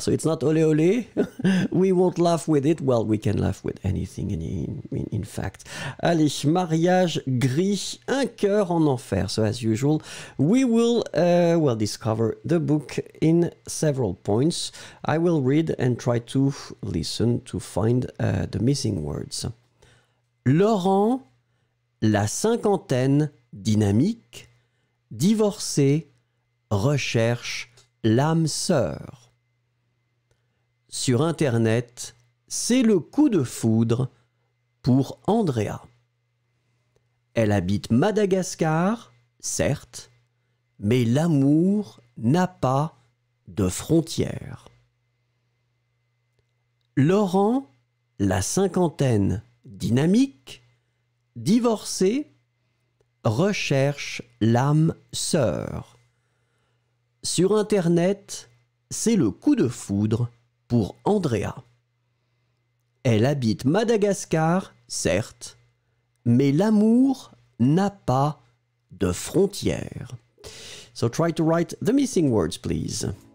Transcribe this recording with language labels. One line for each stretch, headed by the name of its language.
English: So it's not olé olé, we won't laugh with it, well, we can laugh with anything in fact.
French: Allez, Mariage gris, un cœur en enfer.
English: So as usual, we will well discover the book in several points. I will read and try to listen to find the missing words.
French: Laurent, la cinquantaine, dynamique, divorcé, recherche l'âme sœur. Sur Internet, c'est le coup de foudre pour Andrea. Elle habite Madagascar, certes, mais l'amour n'a pas de frontières. Laurent, la cinquantaine, dynamique, divorcé, recherche l'âme sœur. Sur Internet, c'est le coup de foudre pour Andrea. Elle habite Madagascar, certes, mais l'amour n'a pas de frontières.
English: So try to write the missing words, please.